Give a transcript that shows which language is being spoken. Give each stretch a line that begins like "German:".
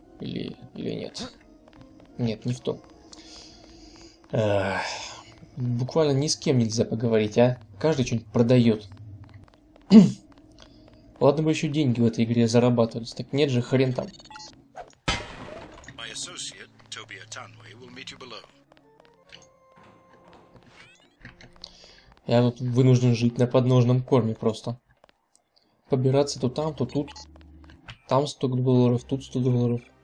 Russian: Или нет? Нет, не в ту. Буквально ни с кем нельзя поговорить, а? Каждый что-нибудь продает. Ладно бы еще деньги в этой игре зарабатывались. Так нет же, хрен там.
English: associate, Toby Atanwe, will meet you below.
Russian: Я тут вынужден жить на подножном корме просто. Побираться то там, то тут. Там 100 долларов, тут 100 долларов.